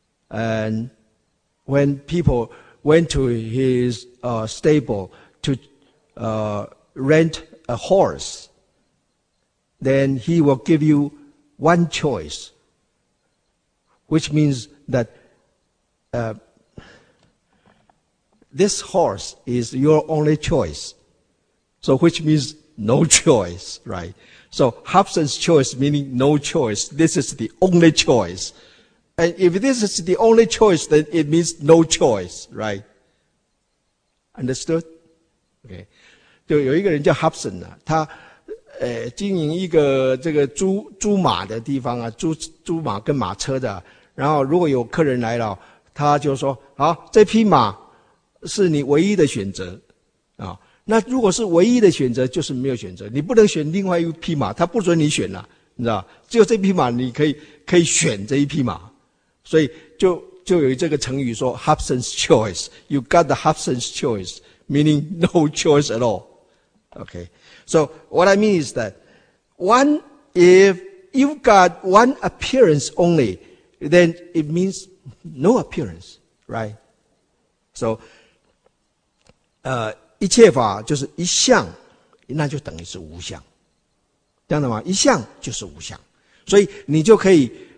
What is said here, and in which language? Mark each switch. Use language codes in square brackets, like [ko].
[en] And when people went to his stable to rent a horse, then he will give you one choice, which means that this horse is your only choice. So which means no choice, right? So Hobson's choice meaning no choice. This is the only choice. And if this is the only choice, then it means no choice, right? Understood? Okay. [zh] 就有一个人叫 Hobson 他经营一个这个猪马的地方啊，猪马跟马车的，然后如果有客人来了，他就说：好，这匹马是你唯一的选择啊。那如果是唯一的选择，就是没有选择，你不能选另外一匹马，他不准你选了，你知道？只有这匹马你可以选这一匹马。所以就有这个成语说 Hobson's choice. [en] You got the Hobson's choice, meaning no choice at all. Okay. So what I mean is that one, if you've got one appearance only, then it means no appearance, right? [zh] So 一切法就是一相，那就等于是无相，这样的吗？一相就是无相，所以你就可以。